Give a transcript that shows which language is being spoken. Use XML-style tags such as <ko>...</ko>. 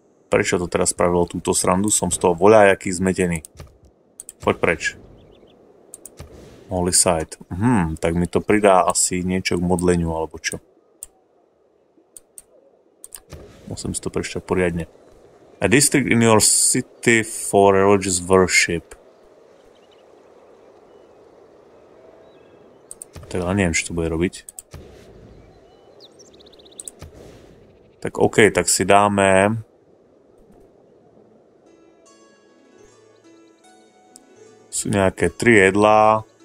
<sk>Prečo to teraz spravilo túto srandu? Som z toho voľajaký zmetený. Poď preč. Holy site. Tak mi to pridá asi niečo k modleniu, alebo čo. Musím si to prečítať poriadne.</sk> <en>A district in your city for religious worship.</en> <sk>Tak ale neviem, čo to bude robiť. Tak OK, tak si dáme... Sú nejaké 3 jedlá.</sk>